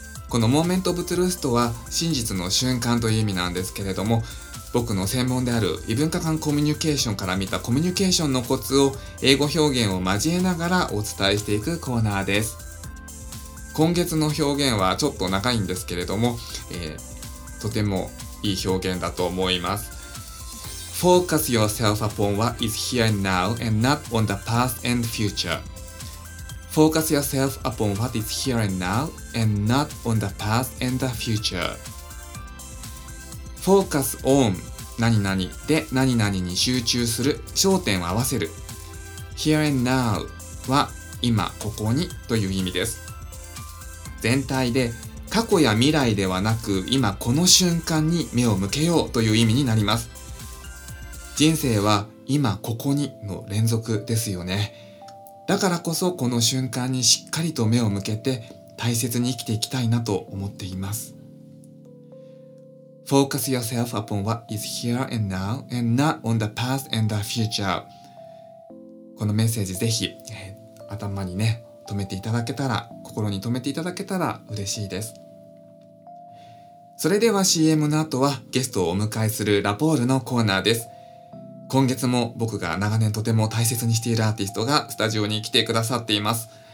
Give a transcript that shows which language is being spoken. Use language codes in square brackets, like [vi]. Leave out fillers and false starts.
[ja] このモーメントオブトゥルースとは真実の瞬間という意味なんですけれども、僕の専門である異文化間コミュニケーションから見たコミュニケーションのコツを英語表現を交えながらお伝えしていくコーナーです。今月の表現はちょっと長いんですけれども、とてもいい表現だと思います。 [en] Focus yourself upon what is here now and not on the past and future. Focus yourself upon what is here now and not on the past and the future. [ja] フォーカスオン、何々で何々に集中する、焦点を合わせる。 [en] Here and now [ja] は今ここにという意味です。全体で過去や未来ではなく今この瞬間に目を向けようという意味になります。人生は今ここにの連続ですよね。だからこそこの瞬間にしっかりと目を向けて大切に生きていきたいなと思っています。 [en] Focus yourself upon what is here and now and not on the past and the future. [ja] このメッセージぜひ、頭にね、留めていただけたら、心に留めていただけたら嬉しいです。それでは CM の後はゲストをお迎えするラポールのコーナーです。今月も僕が長年とても大切にしているアーティストがスタジオに来てくださっています。